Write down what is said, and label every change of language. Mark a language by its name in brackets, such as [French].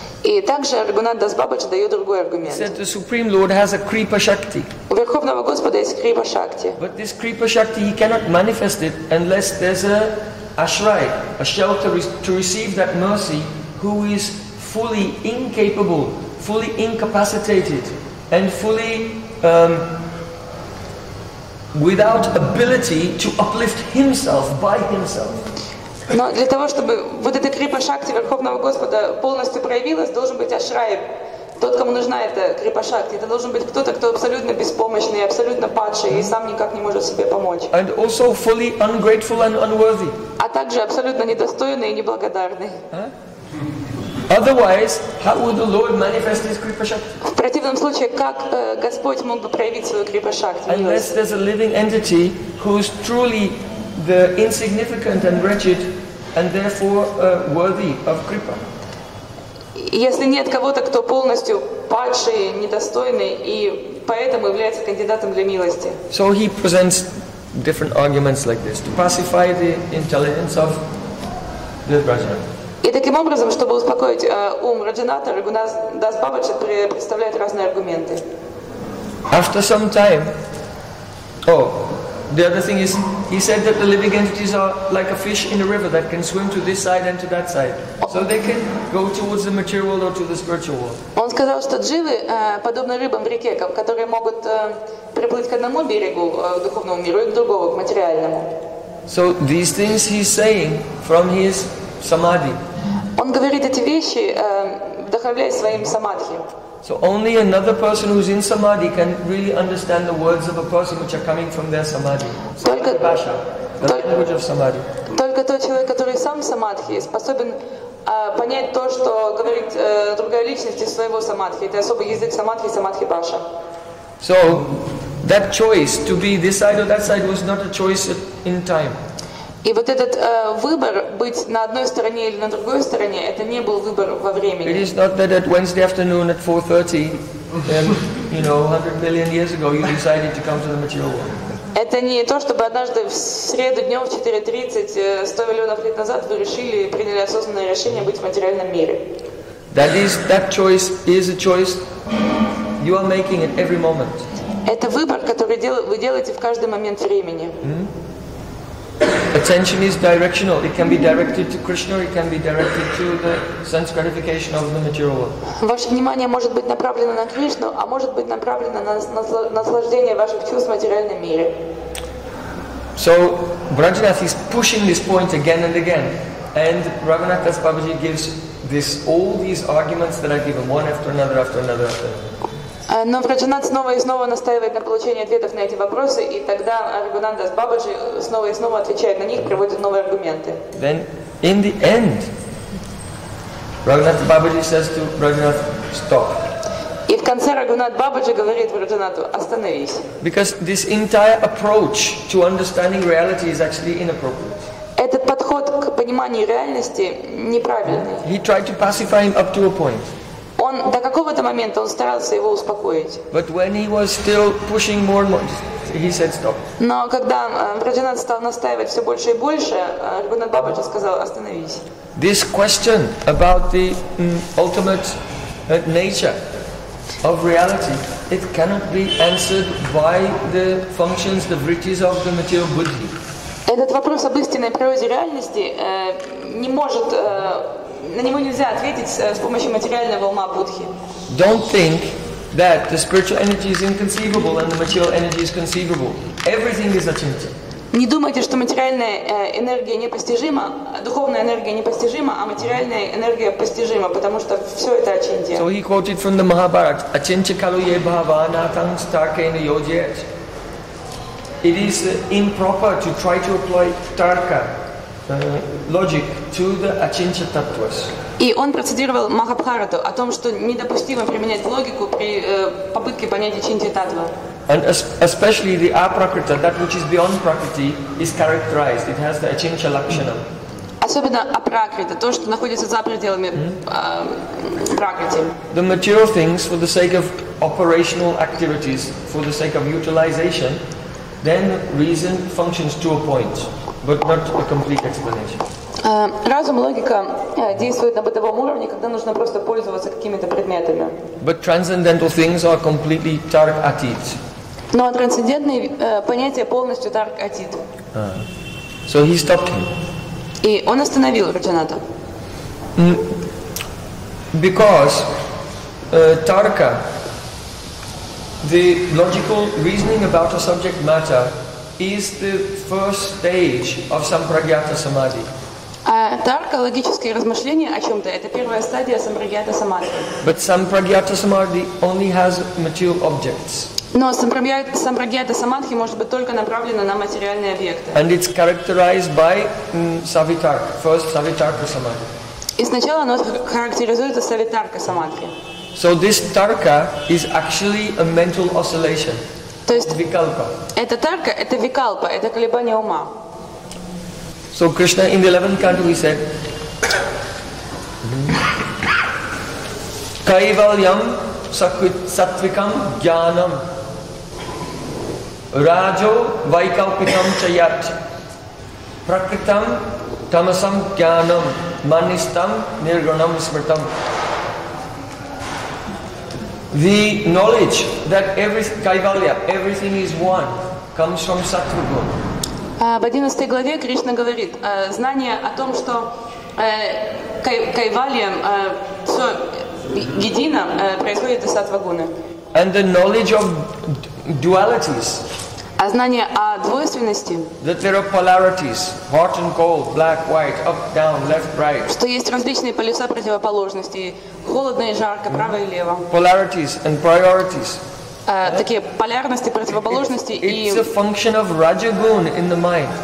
[Russian] И также Рагунат Дас Бабаджи дает другой аргумент. [English] He said the Supreme Lord has a kripa shakti. [Russian] У Верховного Господа есть kripa shakti. [English] But this kripa shakti, he cannot manifest it unless there's a ashray, a shelter to receive that mercy, who is fully incapable, fully incapacitated, and fully without ability to uplift himself by himself. [Russian] Но для того, чтобы вот эта крипа-шакти Верховного Господа полностью проявилась, должен быть ашрай, тот, кому нужна эта крипа-шакти. Это должен быть кто-то, кто абсолютно беспомощный, абсолютно падший и сам никак не может себе помочь. [English] And also fully ungrateful and unworthy. [Russian] А также абсолютно недостойный и неблагодарный. [English] Otherwise, how would the Lord manifest his krippa-shakti? [Russian] В противном случае, как Господь мог бы проявить свою крипа-шакти? [English] Unless there's a living entity who's truly the insignificant and wretched, and therefore worthy of kripa. [Russian] Если нет кого-то, кто полностью падший, недостойный, и поэтому является кандидатом для милости. [English] So he presents different arguments like this to pacify the intelligence of the Rajana. [Russian] И таким образом, чтобы успокоить ум Раджаната, Рагунат Дас Бабаджи представляет разные аргументы. [English] After some time, the other thing is, he said that the living entities are like a fish in a river that can swim to this side and to that side. So they can go towards the material or to the spiritual world. [Russian] Он сказал, что дживы подобны рыбам в реке, которые могут приплыть к одному берегу, к духовному миру, и к другому, к материальному. [English] So these things he's saying from his samadhi. [Russian] Он говорит эти вещи, вдохновляясь своим самадхи. [English] So only another person who's in samadhi can really understand the words of a person which are coming from their samadhi. [Russian] Только [English] Паша, language of samadhi. [Russian] Только тот человек, который сам в самадхи, способен понять то, что говорит другая личность из своего самадхи. Это особый язык самадхи, самадхи Паша. [English] So that choice to be this side or that side was not a choice in time. [Russian] И вот этот выбор быть на одной стороне или на другой стороне, это не был выбор во времени. [English] It is not that at Wednesday afternoon at 4:30, you know, 100 million years ago, you decided to come to the material world. [Russian] Это не то, чтобы однажды в среду днем в 4:30, 100 миллионов лет назад вы решили и приняли осознанное решение быть в материальном мире. [English] That choice is a choice you are making at every moment. [Russian] Это выбор, который вы делаете в каждый момент времени. [English] Attention is directional. It can be directed to Krishna, or it can be directed to the sense gratification of the material world. [Russian] Ваше внимание может быть направлено на Кришну, а может быть направлено на наслаждение ваших чувств в материальном мире. [English] So Ranganath is pushing this point again and again, and Raghunath Das Babaji gives this all these arguments that are given one after another after another after another. [Russian] Но Прадженат снова и снова настаивает на получении ответов на эти вопросы, и тогда Рагунанда с Бабаджи снова и снова отвечает на них, приводит новые аргументы. [English] Then, in the end, Рагунат Бабаджи says to Прадженат, stop. [Russian] И в конце Рагунат Бабаджи говорит Прадженату, остановись. [English] Because this entire approach to understanding reality is actually inappropriate. [Russian] Этот подход к пониманию реальности неправильный. [English] He tried to pacify him up to a point. [Russian] Он до какого-то момента он старался его успокоить. [English] But when he was still pushing more and more, he said stop. [Russian] Но когда Раджанат стал настаивать все больше и больше, Рагунат Бабаджи сказал остановись. [English] This question about the ultimate nature of reality, it cannot be answered by the functions, the vrittis of the material buddhi. [Russian] Этот вопрос об истинной природе реальности не может на него нельзя ответить с помощью материального ума Будхи. [English] Don't think that the spiritual energy is inconceivable and the material energy is conceivable. Everything is achinta. [Russian] Не думайте, что материальная энергия непостижима, духовная энергия непостижима, а материальная энергия постижима, потому что все это ачинтия. [English] So he quoted from the Mahabharata, [Sanskrit] achinta kaluye bhavana tam starkena yojet. [English] It is improper to try to apply tarka, logic, to the achinta tattvas. [Russian] И он процитировал Махабхарату о том, что недопустимо применять логику при попытке понять ачинтия таттва. [English] And especially the aprakrita, that which is beyond prakriti, is characterized. It has the achinta lakshana. [Russian] Особенно апракрита, то, что находится за пределами пракрити. [English] The material things, for the sake of operational activities, for the sake of utilization, then reason functions to a point, but not a complete explanation. [Russian] Разум, логика действует на бытовом уровне, когда нужно просто пользоваться какими-то предметами. [English] But transcendental things are completely tark atit. [Russian] Но трансцендентные понятия полностью tark atit. [English] So he stopped him. [Russian] И он остановил Раджаната. [English] Because tarka, the logical reasoning about a subject matter, is the first stage of sampragyata samadhi. [Russian] Тарка, логические размышления о чем-то, это первая стадия сампрагьята самадхи. [English] But sampragyata samadhi only has material objects. [Russian] Но сампрагьята самадхи может быть только направлена на материальные объекты. [English] And it's characterized by savitarka, first savitarka samadhi. [Russian] И сначала оно характеризуется савитарка самадхи. [English] So this tarka is actually a mental oscillation. [Russian] То есть викалпа. Это тарка, это викалпа, это колебание ума. [English] So Krishna in the 11th canto he said, [Sanskrit] Kaivalyam sattvikam jnanam rajo vaikalpikam chayat prakritam tamasam jnanam manistam nirgunam smritam. [English] The knowledge that everything is one, comes from sattva-gun. [Russian] В 11 главе Кришна говорит, знание о том, что кайвалья, все едино, происходит из сатва-гуны. [English] And the knowledge of dualities. [Russian] А знание о двойственности. [English] That there are polarities, hot and cold, black, white, up, down, left, right. [Russian] Что есть различные полюса противоположностей. Холодно и жарко, право и лево. [English] Polarities and priorities. [Russian] Такие полярности, противоположности [English] it's a function of Rajagun in the mind.